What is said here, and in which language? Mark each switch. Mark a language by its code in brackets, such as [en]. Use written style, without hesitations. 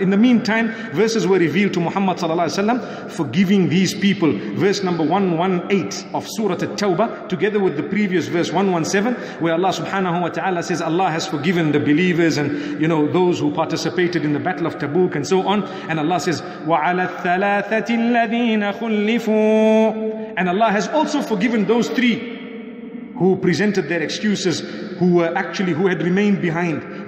[en] In the meantime, verses were revealed to Muhammad sallallahu alaihi wasallam forgiving these people. Verse number 118 of Surah At-Tawbah, together with the previous verse 117, where Allah subhanahu wa ta'ala says, Allah has forgiven the believers and, you know, those who participated in the battle of Tabuk and so on. And Allah says, [ar] وَعَلَى الثَّلَاثَةِ الَّذِينَ خُلِّفُوا. [en] And Allah has also forgiven those three who presented their excuses, who had remained behind.